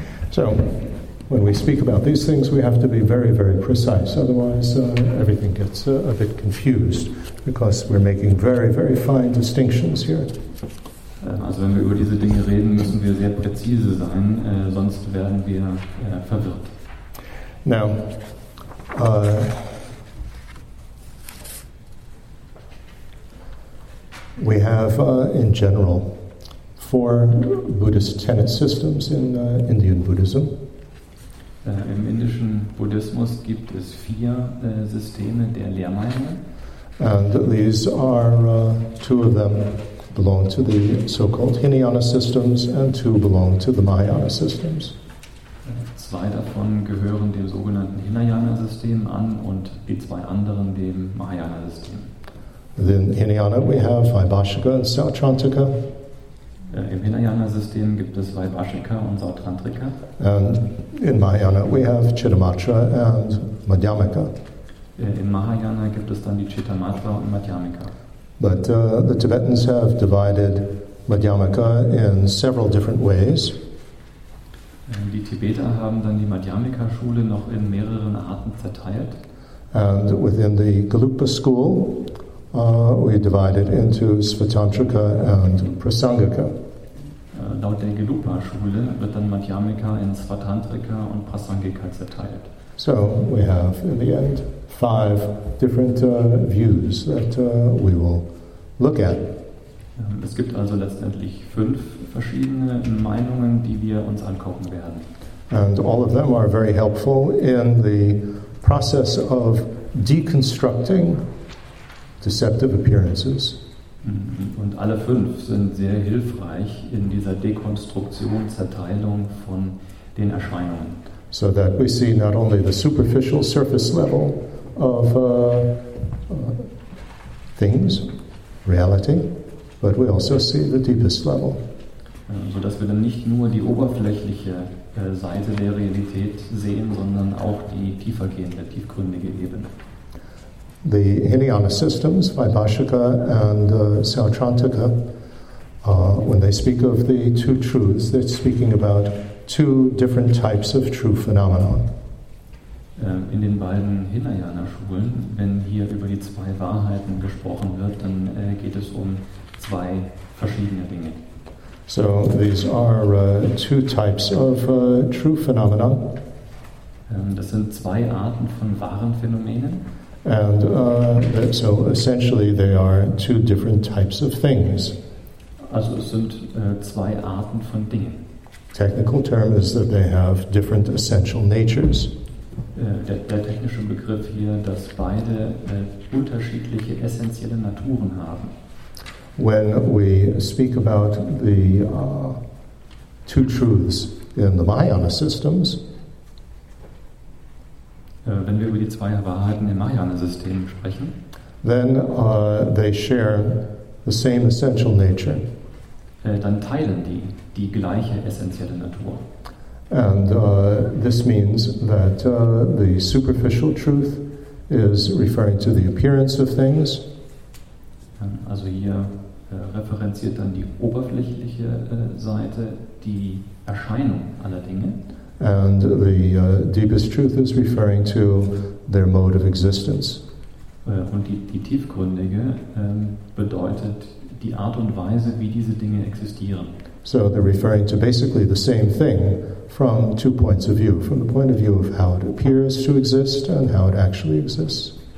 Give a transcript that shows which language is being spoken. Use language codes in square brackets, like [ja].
[en] So, when we speak about these things, we have to be very, very precise. Otherwise, everything gets a bit confused, because we're making very, very fine distinctions here. [de] Also wenn wir über diese Dinge reden, müssen wir sehr präzise sein, sonst werden wir verwirrt. [en] Now, we have, in general, four Buddhist tenet systems in Indian Buddhism. [de] Im indischen Buddhismus gibt es vier Systeme der Lehrmeinungen. [en] And these are two of them belong to the so-called Hinayana systems, and two belong to the Mahayana systems. [de] Zwei davon gehören dem sogenannten Hinayana-System an, und die zwei anderen dem Mahayana-System. [en] In Hinayana we have Vaibhashika and Sautrantika. [de] Im Hinayana-System gibt es Vaibhashika und Sautrantika. [en] And in Mahayana we have Chittamatra and Madhyamika. [de] Im Mahayana gibt es dann die Chittamatra und Madhyamika. [en] But the Tibetans have divided Madhyamika in several different ways. [de] Die Tibeter haben dann die Madhyamika-Schule noch in mehreren Arten zerteilt. [en] And within the Galupa school, we divided into Svatantrika and Prasangika. [de] Laut der Galupa-Schule wird dann Madhyamika in Svatantrika und Prasangika zerteilt. [en] So we have, in the end, five different views that we will look at. [de] Es gibt also letztendlich fünf verschiedene Meinungen, die wir uns angucken werden. [en] And all of them are very helpful in the process of deconstructing deceptive appearances. [de] Und alle fünf sind sehr hilfreich in dieser Dekonstruktion, Zerteilung von den Erscheinungen. [en] So that we see not only the superficial surface level of things, reality, but we also see the deepest level. [de] So dass wir dann nicht nur die oberflächliche Seite der Realität sehen, sondern auch die tiefergehende, tiefgründige Ebene. [en] The Hinayana systems, Vaibhashika and Sautrantika, when they speak of the two truths, they're speaking about two different types of true phenomena. [de] In den beiden Hinayana-Schulen, wenn hier über die zwei Wahrheiten gesprochen wird, dann geht es um zwei verschiedene Dinge. [en] So these are two types of true phenomena. [de] Das sind zwei Arten von wahren Phänomenen. [en] And so essentially they are two different types of things. [de] Also es sind zwei Arten von Dingen. [en] Technical term is that they have different essential natures. [de] Der technische Begriff hier, dass beide unterschiedliche essentielle Naturen haben. [en] When we speak about the two truths in the Mahayana systems, [de] wenn wir über die zwei Wahrheiten im Mahayana-System sprechen, [en] then they share the same essential nature. [de] Dann teilen die gleiche essentielle Natur. [en] And this means that the superficial truth is referring to the appearance of things. [de] Also hier referenziert dann die oberflächliche Seite die Erscheinung aller Dinge. [en] And the deepest truth is referring to their mode of existence. [de] Und die tiefgründige bedeutet die Art und Weise, wie diese Dinge existieren. [en] So they're referring to basically the same thing from two points of view, from the point of view of how it appears to exist and how it actually exists.